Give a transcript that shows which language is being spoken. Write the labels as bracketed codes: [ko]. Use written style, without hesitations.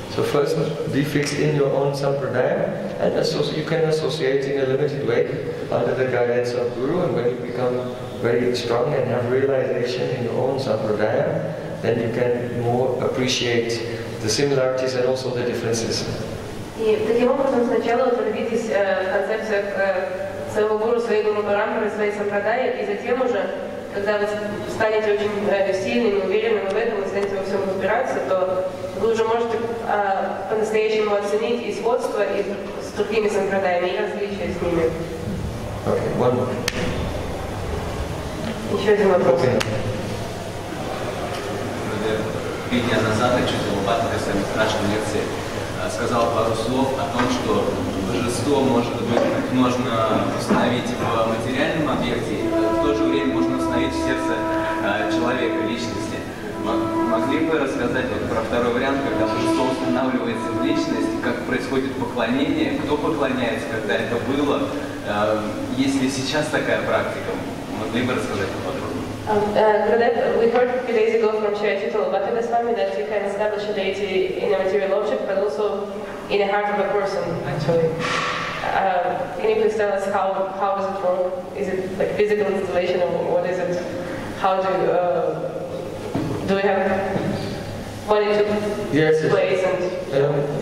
[en] So first be fixed in your own sampradaya and you can associate in a limited way under the guidance of Guru, and when you become very strong and have realization in your own sampradaya, then you can more appreciate the similarities and also the differences. [ru] И таким образом сначала утвердитесь в концепциях своего гуру, своей гуру-парампары, своей сампрадаи, и затем уже, когда вы станете очень сильным и уверенным в этом, и станете во всем разбираться, то вы уже можете по-настоящему оценить и сходство и с другими сампрадаями, и различия с ними. [en] Окей, one more. [ru] Еще один вопрос. [en] Okay. [ru] Три дня назад я чувствовал патрика с вами в нашей лекции. Сказал пару слов о том, что божество может быть можно установить в материальном объекте, в то же время можно установить в сердце человека, личности. Могли бы рассказать вот про второй вариант, когда божество устанавливается в личность, как происходит поклонение, кто поклоняется, когда это было, есть ли сейчас такая практика? Могли бы рассказать поподробнее? [en] We heard a few days ago from Chaya Chitala Bhaktivedaswami that you can establish a deity in a material object, but also in the heart of a person, actually. Can you please tell us how does it work? Is it like physical installation or what is it? How do we have money to place and...